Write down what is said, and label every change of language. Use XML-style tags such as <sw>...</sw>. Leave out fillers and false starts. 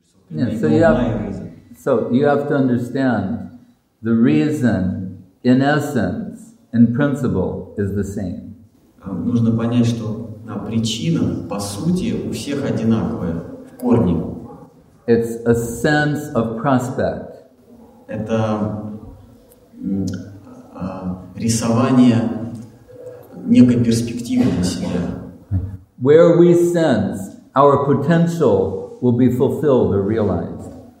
<en>Yeah, so you have, to understand the reason, in essence, in principle, is the same.</en> <ru>Нужно понять, что причина, по сути, у всех одинаковая, в корне.</ru> <en>It's a sense of prospect.</en> <ru>Это рисование некой перспективы для себя.</ru> <en>Where we sense our potential will be fulfilled or realized.</en>